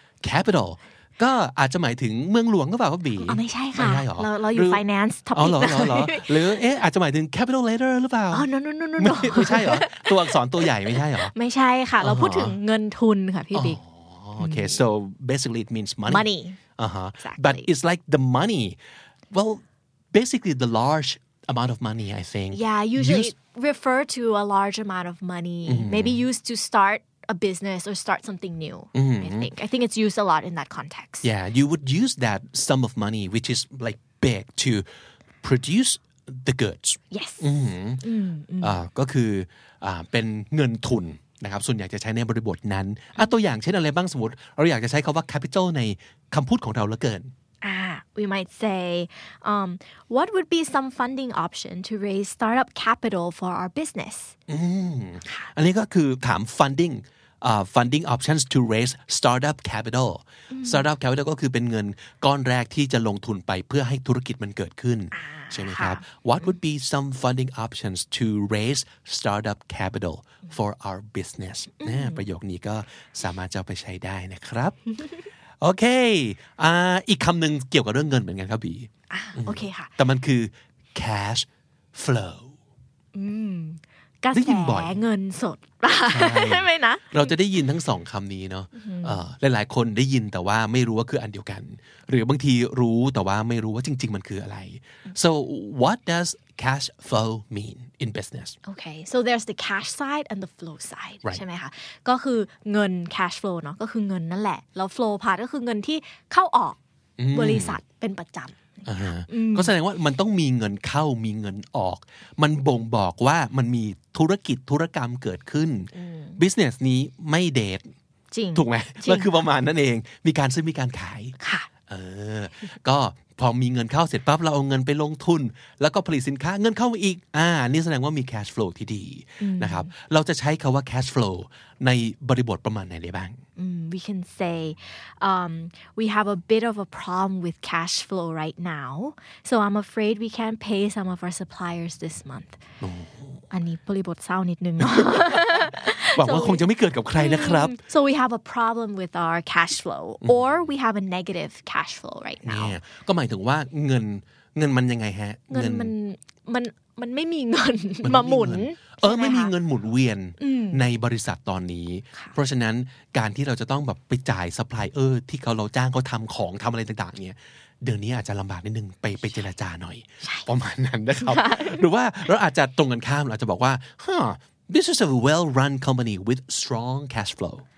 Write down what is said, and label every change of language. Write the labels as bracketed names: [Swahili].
[Thai] capital ก็อาจจะหมายถึงเมืองหลวงก็เปล่าครับบี ไม่ใช่ค่ะ ไม่ใช่หรอ เราอยู่ finance topic หรือหรือเอ๊ะอาจจะหมายถึง capital letter หรือเปล่า อ๋อ no ไม่ใช่หรอตัวอักษรตัวใหญ่ไม่ใช่หรอ ไม่ใช่ค่ะเราพูดถึงเงินทุนค่ะพี่บี [English] โอเค so basically it means money money but it's like the money well basically the large amount of money I think yeah usually refer to a large amount of money maybe used to starta business or start something new I think it's used a lot in that context yeah you would use that sum of money which is like big to produce the goods yes [Thai] ก็คือเป็นเงินทุนนะครับส่วนใหญ่จะใช้ในบริบทนั้นตัวอย่างเช่นอะไรบ้างสมมติเราอยากจะใช้คำว่า capital ในคำพูดของเราละเกิน [English] we might say what would be some funding option to raise startup capital for our business [Thai] อันนี้ก็คือถาม [English] funding funding options to raise startup capital [Thai] startup capital ก็คือเป็นเงินก้อนแรกที่จะลงทุนไปเพื่อให้ธุรกิจมันเกิดขึ้นใช่ไหมครับ [English] what would be some funding options to raise startup capital for our business [Thai] ประโยคนี้ก็สามารถจะไปใช้ได้นะครับโอเคอีกคำหนึ่งเกี่ยวกับเรื่องเงินเหมือนกันครับบี โอเคค่ะ แต่มันคือ cash flow กระแสเงินสดใช่ไหมนะ เราจะได้ยินทั้งสองคำนี้เนาะหลายๆคนได้ยินแต่ว่าไม่รู้ว่าคืออันเดียวกันหรือบางทีรู้แต่ว่าไม่รู้ว่าจริงๆมันคืออะไร [English] so what does cash flow mean in business okay so there's the cash side and the flow side right. [Thai] ใช่ไหมคะก็คือเงิน cash flow เนาะก็คือเงินนั่นแหละแล้ว flow part ก็คือเงินที่เข้าออก บริษัทเป็นประจำ ก็แสดงว่ามันต้องมีเงินเข้ามีเงินออกมันบ่งบอกว่ามันมีธุรกิจธุรกรรมเกิดขึ้นบิสเนสนี้ไม่เดท จริง ถูกไหมก็คือประมาณนั่นเองมีการซื้อมีการขาย ค่ะ ก็พอมีเงินเข้าเสร็จปั๊บเราเอาเงินไปลงทุนแล้วก็ผลิตสินค้าเงินเข้ามาอีกนี่แสดงว่ามีแคชโฟลว์ที่ดีนะครับเราจะใช้คำว่าแคชโฟลว์ในบริบทประมาณไหนได้บ้าง [English] We can say we have a bit of a problem with cash flow right now so I'm afraid we can't pay some of our suppliers this month [Thai] อันนี้บริบทเศร้านิดนึง หวังว่าคงจะไม่เกิดกับใครนะครับ [English] So we have a problem with our cash flow or we have a negative cash flow right now [Thai] ก็หมายถึงว่าเงินมันยังไงฮะ เงินมันไม่มีเงินมาหมุน ไม่มีเงินหมุนเวียนในบริษัทตอนนี้ เพราะฉะนั้นการที่เราจะต้องแบบไปจ่ายซัพพลายเออร์ที่เราจ้างเขาทำของทำอะไรต่างๆเนี่ยเดือนนี้อาจจะลำบากนิดนึงไปเจรจาหน่อยประมาณนั้นนะครับหรือว่าเราอาจจะตรงกันข้ามเราจะบอกว่า [English] this is a well run company with strong cash flow